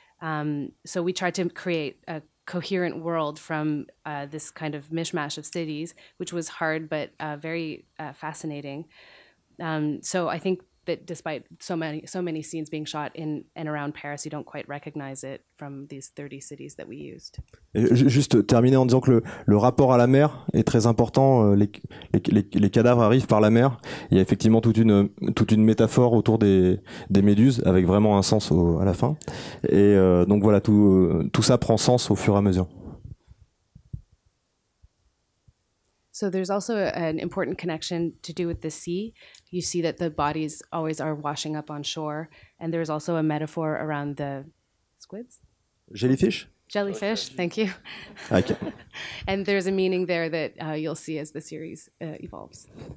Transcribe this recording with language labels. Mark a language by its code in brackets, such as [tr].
[en] So we tried to create a coherent world from this kind of mishmash of cities, which was hard, but very fascinating. So I think that despite so many scenes being shot in and around Paris, you don't quite recognize it from these 30 cities that we used. [fr] Et juste terminer en disant que le rapport à la mer est très important. Les cadavres arrivent par la mer. Il y a effectivement toute une métaphore autour des méduses avec vraiment un sens à la fin. Et donc voilà, tout ça prend sens au fur et à mesure. [en] So there's also an important connection to do with the sea. You see that the bodies always are washing up on shore. And there's also a metaphor around the squids? Jellyfish, thank you. Okay. And there's a meaning there that you'll see as the series evolves.